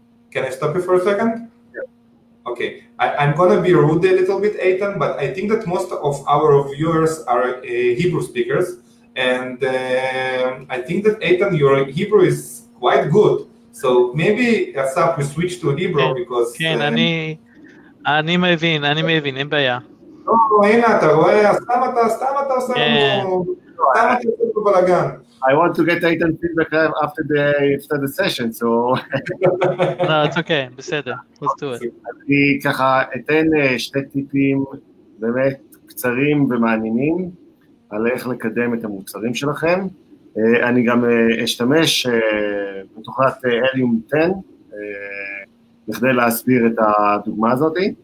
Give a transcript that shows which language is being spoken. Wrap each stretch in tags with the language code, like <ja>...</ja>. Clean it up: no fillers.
<en>Can I stop you for a second? Okay, I'm gonna be rude a little bit, Eytan, but I think that most of our viewers are Hebrew speakers, and I think that Eytan, your Hebrew is quite good, so maybe Asaf, you switch to Hebrew because</en> <he>אני מבין, אני מבין, אין בעיה. לא, הנה, אתה רואה, סתם אתה עושה לנו, סתם אתה עושה לנו בלגן.</he> <en>I want to get Eytan feedback after the session, so... no, it's okay, בסדר, let's do it.</en> <he>אני ככה אתן שתי טיפים באמת קצרים ומעניינים על איך לקדם את המוצרים שלכם. אני גם אשתמש בתוכנת אליום 10, בכדי להסביר את הדוגמה הזאת.</he>